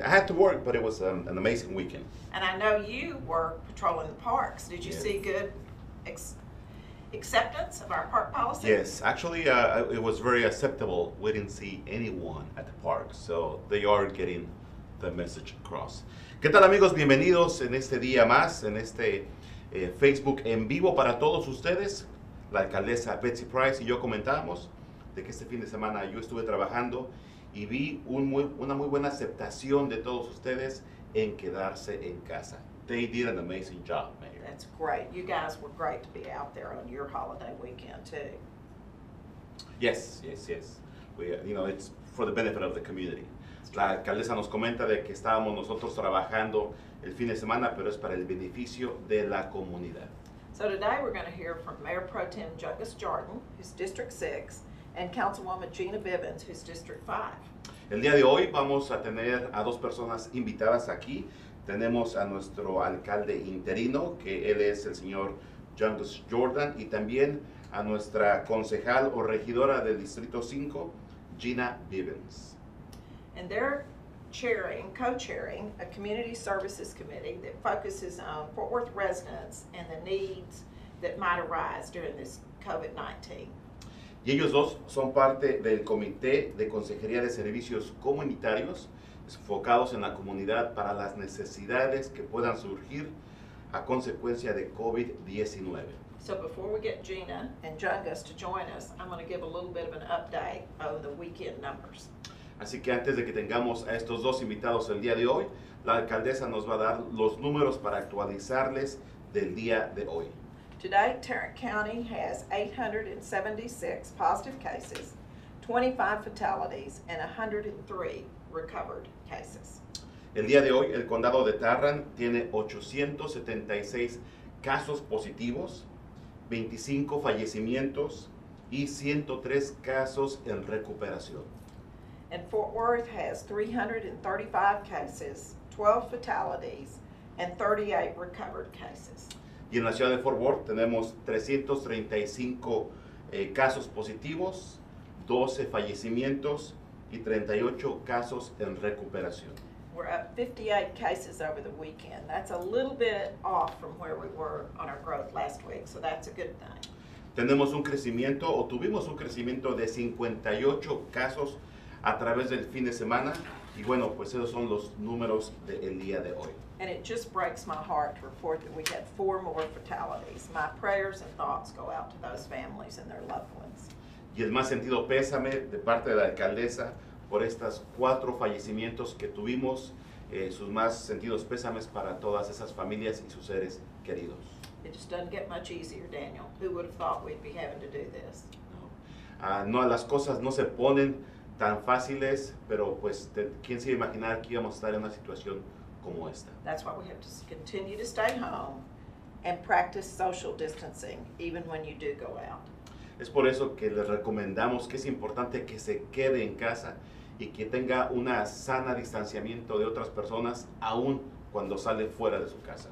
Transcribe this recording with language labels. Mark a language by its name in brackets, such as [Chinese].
[English] I had to work, but it was an amazing weekend. And I know you were patrolling the parks. Did you see good acceptance of our park policy? Yes, actually, it was very acceptable. We didn't see anyone at the park, so they are getting the message across. [Spanish] ¿Qué tal, amigos? Bienvenidos en este día más, en este Facebook en vivo para todos ustedes. La alcaldesa Betsy Price y yo comentábamos de que este fin de semana yo estuve trabajando y vi una muy buena aceptación de todos ustedes en quedarse en casa. [English] They did an amazing job, Mayor. That's great. You guys were great to be out there on your holiday weekend, too. Yes, yes, yes. It's for the benefit of the community. [Spanish] La alcaldesa nos comenta de que estábamos nosotros trabajando el fin de semana, pero es para el beneficio de la comunidad. [English] So today we're going to hear from Mayor Pro Tem Jungus Jordan, who's District 6, and Councilwoman Gina Bibbins, who's District 5. [Spanish] El día de hoy vamos a tener a dos personas invitadas aquí. Tenemos a nuestro alcalde interino, que él es el señor Jungus Jordan, y también a nuestra concejal o regidora del Distrito 5, Gina Bibbins. [English] And they're co-chairing a community services committee that focuses on Fort Worth residents and the needs that might arise during this COVID-19. [Spanish] Y ellos dos son parte del Comité de Consejería de Servicios Comunitarios, enfocados en la comunidad para las necesidades que puedan surgir a consecuencia de COVID-19. [English] So before we get Gina and Jungus to join us, I'm going to give a little bit of an update of the weekend numbers. [Spanish] Así que antes de que tengamos a estos dos invitados el día de hoy, la alcaldesa nos va a dar los números para actualizarles del día de hoy. [English] Today, Tarrant County has 876 positive cases, 25 fatalities, and 103 recovered cases. [Spanish] El día de hoy, el condado de Tarrant tiene 876 casos positivos, 25 fallecimientos, y 103 casos en recuperación. [English] And Fort Worth has 335 cases, 12 fatalities, and 38 recovered cases. [Spanish] Y en la ciudad de Fort Worth tenemos 335 casos positivos, 12 fallecimientos, y 38 casos en recuperación. [English] We're up 58 cases over the weekend. That's a little bit off from where we were on our growth last week, so that's a good thing. [Spanish] Tenemos un crecimiento, o tuvimos un crecimiento de 58 casos a través del fin de semana, y bueno, pues esos son los números del día de hoy. [English] And it just breaks my heart to report that we had 4 more fatalities. My prayers and thoughts go out to those families and their loved ones. [Spanish] Y el más sentido pésame de parte de la alcaldesa por estas 4 fallecimientos que tuvimos, sus más sentidos pésames para todas esas familias y sus seres queridos. [English] It just doesn't get much easier, Daniel. Who would have thought we'd be having to do this? [Spanish] No, las cosas no se ponen tan fáciles, pero pues, ¿quién se iba a imaginar que íbamos a estar en una situación como esta? [English] That's why we have to continue to stay home and practice social distancing, even when you do go out. [Spanish] Es por eso que les recomendamos que es importante que se quede en casa y que tenga una sana distanciamiento de otras personas, aún cuando sale fuera de su casa.